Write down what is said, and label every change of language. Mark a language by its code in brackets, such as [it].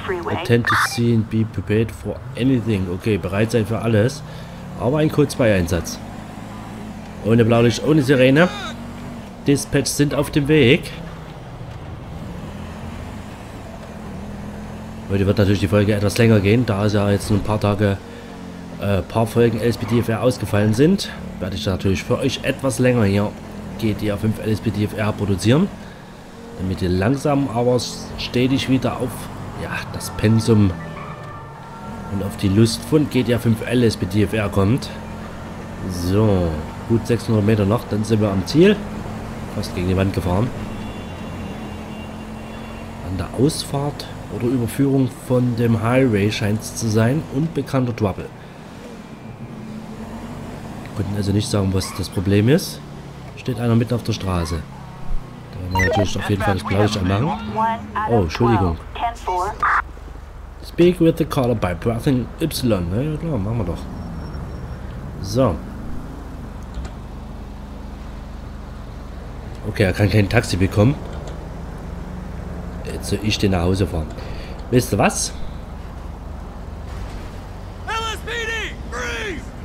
[en] Attend to see and be prepared for anything. [de] Okay, bereit sein für alles. Aber ein Code 2 Einsatz. Ohne Blaulicht, ohne Sirene. Dispatch sind auf dem Weg. Heute wird natürlich die Folge etwas länger gehen, da es ja jetzt nur ein paar Tage, paar Folgen LSPDFR ausgefallen sind. Werde ich natürlich für euch etwas länger hier GTA 5 LSPDFR produzieren. Damit ihr langsam aber stetig wieder auf ja, das Pensum und auf die Lust von GTA 5 LSPDFR kommt. So, gut 600 Meter noch, dann sind wir am Ziel. Fast gegen die Wand gefahren. An der Ausfahrt oder Überführung von dem Highway scheint es zu sein. Unbekannter Trouble. Wir konnten also nicht sagen, was das Problem ist. Steht einer mitten auf der Straße. Natürlich auf jeden Fall das Blaulicht anmachen. Oh, Entschuldigung. [en] Speak with the caller by pressing Y. [de] Na ja, klar, machen wir doch. So. Okay, er kann kein Taxi bekommen. Jetzt soll ich den nach Hause fahren. Wisst ihr was? [en] LSPD, freeze!